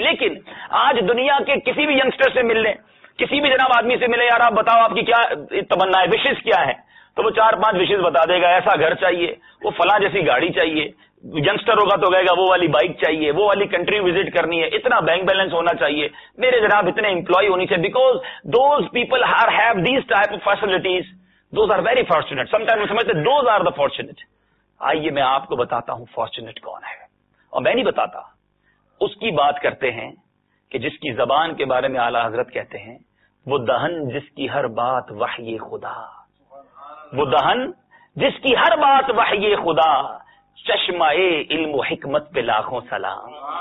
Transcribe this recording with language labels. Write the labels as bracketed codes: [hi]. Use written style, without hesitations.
[ur] لیکن آج دنیا کے کسی بھی ینگسٹر سے ملنے, کسی بھی جناب آدمی سے ملے, یار آپ بتاؤ آپ کی کیا تمنا ہے, وشز کیا ہے, تو وہ 4-5 وشز بتا دے گا. ایسا گھر چاہیے, وہ فلاں جیسی گاڑی چاہیے. ینگسٹر ہوگا تو کہے گا وہ والی بائک چاہیے, وہ والی کنٹری وزٹ کرنی ہے, اتنا بینک بیلنس ہونا چاہیے, میرے جناب اتنے امپلائی ہونی چاہیے. [en] Because those people are have these type of facilities, those are very fortunate. Sometimes [ur] وہ سمجھتے [en] those are the fortunate. [ur] آئیے میں آپ کو بتاتا ہوں fortunate کون ہے. اور میں نہیں بتاتا, اس کی بات کرتے ہیں کہ جس کی زبان کے بارے میں اعلی حضرت کہتے ہیں, وہ دہن جس کی ہر بات وحی خدا, وہ دہن جس کی ہر بات وحی خدا, چشمہ علم و حکمت پہ لاکھوں سلام.